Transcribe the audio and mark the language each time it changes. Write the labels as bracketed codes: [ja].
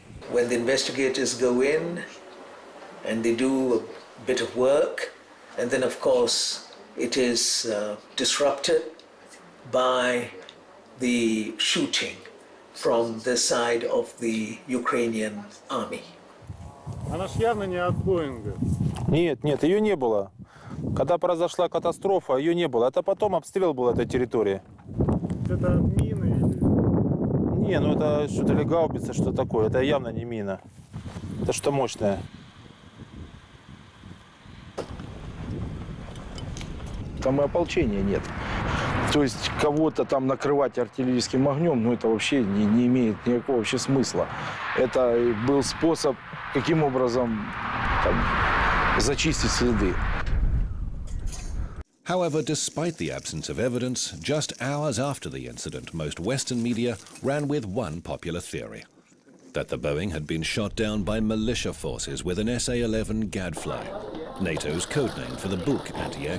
[en] When the investigators go in and they do a bit of work, and then of course it is disrupted by the shooting from the side of the Ukrainian army. [ru] Она ж явно не от Боинга. Нет, нет, ее не было. Когда произошла катастрофа, ее не было. Это потом обстрел был этой территории. Это мины или... Не, ну это что-то ли гаубица, что такое. Это явно не мина. Это что мощное. Там и ополчения нет. То есть кого-то там накрывать артиллерийским огнем, ну это вообще не имеет никакого вообще смысла. Это был способ, каким образом там, зачистить следы. [en] However, despite the absence of evidence, just hours after the incident, most Western media ran with one popular theory: that the Boeing had been shot down by militia forces with an SA-11 gadfly, NATO's codename for the Buk anti-air